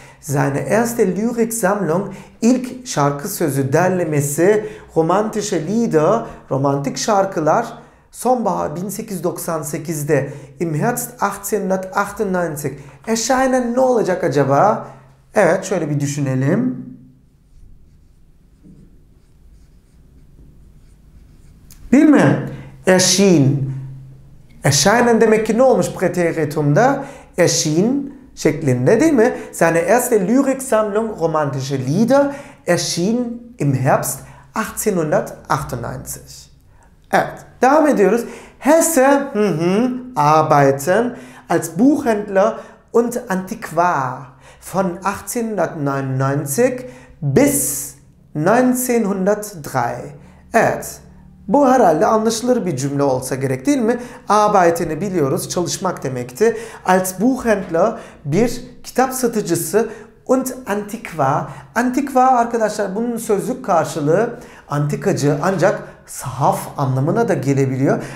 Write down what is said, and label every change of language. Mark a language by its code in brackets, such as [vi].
[de] Seine erste Lyriksammlung, [tr] ilk şarkı sözü derlemesi, [de] romantische Lieder, [tr] romantik şarkılar, sonbahar 1898'de [de] im Herbst 1898 erscheinen [tr] ne olacak acaba? Evet şöyle bir düşünelim. Değil mi? Erschien. Erscheinen demek ki ne olmuş preteritumda? Erschien şeklinde değil mi? [de] Seine erste Lyriksammlung romantische Lieder erschien im Herbst 1898. [tr] Evet, devam ediyoruz. [de] Hesse, arbeiten als Buchhändler und Antiquar von 1899 bis 1903. [tr] Evet, bu herhalde anlaşılır bir cümle olsa gerek değil mi? Arbeiten'i biliyoruz, çalışmak demekti. [de] Als Buchhändler [tr] bir kitap satıcısı [de] und Antiquar. [tr] Antiquar arkadaşlar bunun sözlük karşılığı antikacı ancak sahaf anlamına da gelebiliyor.